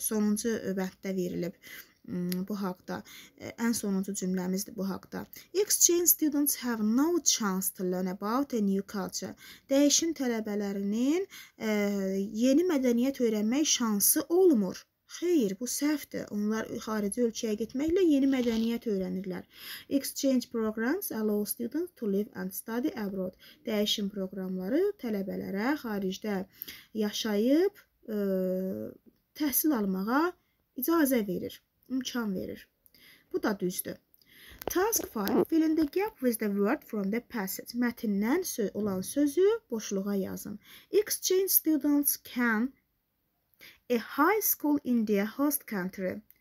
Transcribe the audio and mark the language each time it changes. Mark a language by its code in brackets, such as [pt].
[az] Sonuncu öbətdə verilib bu haqda. Ən sonuncu cümləmizdir bu haqda. [en] Exchange students have no chance to learn about a new culture. [az] Dəyişim tələbələrinin yeni mədəniyyət öyrənmək şansı olmur. Xeyr, bu səhvdir. Onlar xarici ölkəyə getməklə yeni mədəniyyət öyrənirlər. [en] Exchange programs allow students to live and study abroad. [az] Dəyişim proqramları tələbələrə xaricdə yaşayıb təhsil almağa icazə verir, imkan verir. Bu da düzdür. [en] Task 5. Fill in the gap with the word from the passage. [az] Mətindən olan sözü boşluğa yazın. [en] Exchange students can a high school in their host country.